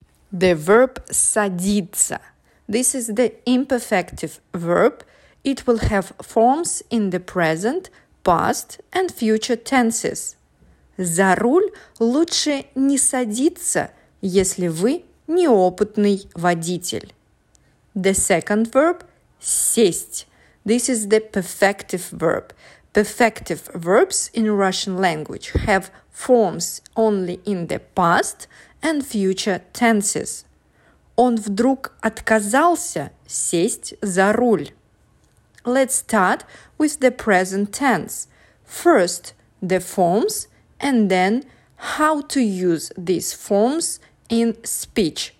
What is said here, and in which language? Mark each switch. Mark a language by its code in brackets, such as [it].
[en] The verb садиться. This is the imperfective verb. It will have forms in the present, past and future tenses. [ru] За руль лучше не садиться, если вы неопытный водитель. [en] The second verb – сесть. This is the perfective verb. Perfective verbs in Russian language have forms only in the past and future tenses. [ru] Он вдруг отказался сесть за руль. [en] Let's start with the present tense. First, the forms, and then how to use these forms in speech.